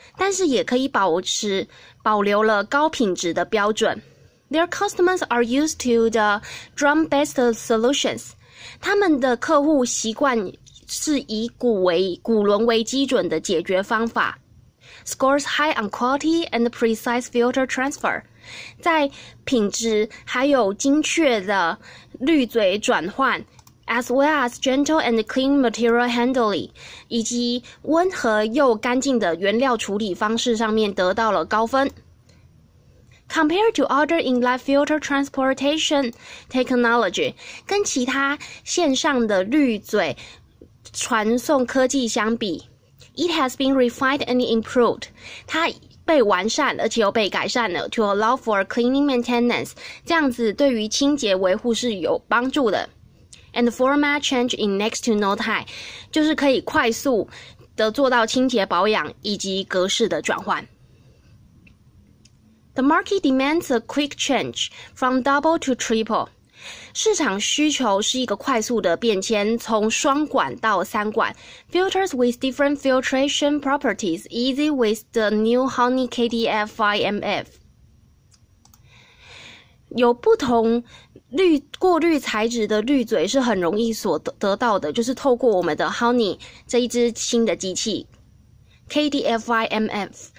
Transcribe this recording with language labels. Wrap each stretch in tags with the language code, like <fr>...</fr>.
<zh>但是也可以保留了高品质的标准。</zh> <en>Their customers are used to the drum-based solutions.</en> <zh>他们的客户习惯是以古轮为基准的解决方法。</zh> <en>Scores high on quality and precise filter transfer.</en> <zh>在品质还有精确的滤嘴转换 ,</zh> <en>as well as gentle and clean material handling,</en> <zh>以及温和又干净的原料处理方式上面得到了高分。</zh> <en>Compared to other in-line filter transportation technology,</en> <zh>跟其他线上的滤嘴传送科技相比</zh> <en>,it has been refined and improved.</en> <zh>它被完善而且又被改善了 ,</zh> <en>to allow for cleaning maintenance,</en> <zh>这样子对于清洁维护是有帮助的。</zh> <en>And the format change in next to no time,</en> <zh>就是可以快速的做到清洁保养以及格式的转换。</zh> <en>The market demands a quick change from double to triple.</en> <zh>市场需求是一个快速的变迁，从双管到三管。</zh> <en>Filters with different filtration properties, easy with the new Honey KDF-5MF.</en> <zh>有不同过滤材质的滤嘴是很容易所得到的，就是透过我们的 Honey 这一支新的机器 KDF-5MF.</zh>